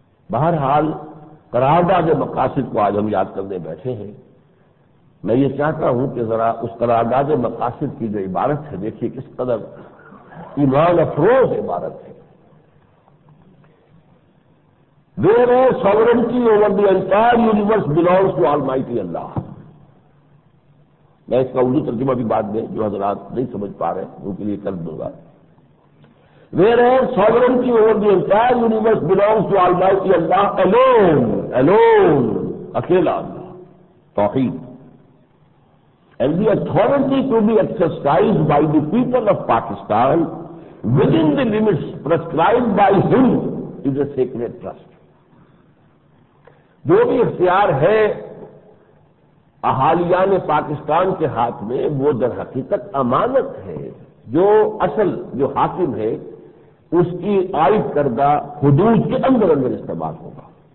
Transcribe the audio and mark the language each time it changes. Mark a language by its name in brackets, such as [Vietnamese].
[Urdu] بہرحال قرارداد مقاصد کو آج ہم یاد کرنے بیٹھے ہیں, میں یہ چاہتا ہوں کہ ذرا اس قرارداد مقاصد کی جو عبارت ہے دیکھیے کس قدر ایمان افروز عبارت ہے. [English] There is sovereignty over the entire universe belongs to Almighty Allah. [Urdu] میں اس کا اردو ترجمہ بھی بعد میں جو حضرات نہیں سمجھ پا رہے ان کے لیے کر دوں گا. [English] There is sovereignty over the entire universe belongs to Almighty Allah alone, [Urdu] اکیلا اللہ, توحید. [English] And the authority to be exercised by the people of Pakistan within the limits prescribed by him is a sacred trust. [Urdu] جو بھی اختیار ہے احالیان پاکستان کے ہاتھ میں وہ در حقیقت امانت ہے. جو اصل جو حاکم ہے اس کی عائد کردہ حدود کے اندر اندر استعمال ہوگا.